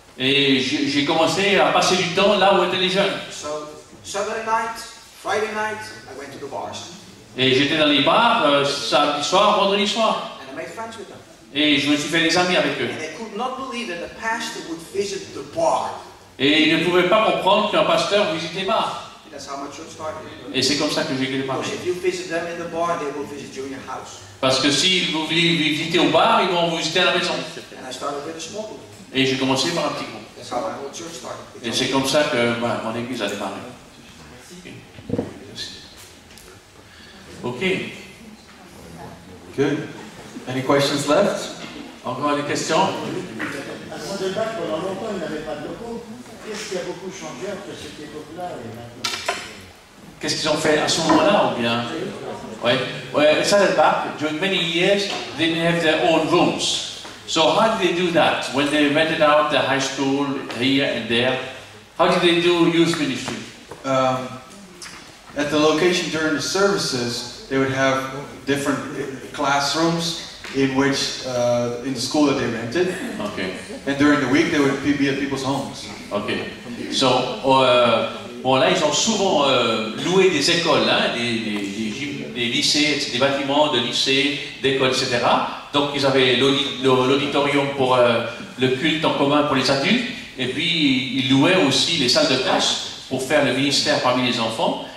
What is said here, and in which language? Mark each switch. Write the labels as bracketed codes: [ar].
[fr] Et j'ai commencé à passer du temps là où étaient les jeunes. [en] So Saturday night, Friday night, I went to the bars. [fr] Et j'étais dans les bars samedi soir, vendredi soir. [en] And I made friends with them. [fr] Et je me suis fait des amis avec eux. [en] And I could not believe that the pastor would visit the bar. [fr] Et ils ne pouvaient pas comprendre qu'un pasteur visite les bars. [en] That's how my church started. [fr] Et c'est comme ça que j'ai commencé. [en] Because if you visit them in the bar, they will visit you in your house. [fr] Parce que si vous venez visiter au bar, ils vont vous visiter à la maison. [en] And I started with a small group. [fr] Et j'ai commencé par un petit groupe. [en] That's how my whole church started. [fr] Et c'est comme ça que mon église a démarré. [en] Okay. Good. Any questions left? [fr] Encore des questions? À son départ, pendant longtemps, il n'avait pas de locaux. Qu'est-ce qui a beaucoup changé entre cette époque-là et maintenant? Qu'est-ce qu'ils ont fait à ce moment-là ou bien? Oui. Oui, à son départ, [en] during many years, they didn't have their own rooms. So how did they do that? When they rented out the high school here and there, how did they do youth ministry? At the location during the services, they would have different classrooms in which in the school that they rented. Okay. And during the week, they would be at people's homes. Okay. [fr] So, bon là, ils ont souvent loué des écoles, hein, des lycées, des bâtiments de lycées, d'écoles, etc. Donc, ils avaient l'auditorium pour le culte en commun pour les adultes, et puis ils louaient aussi les salles de classe pour faire le ministère parmi les enfants.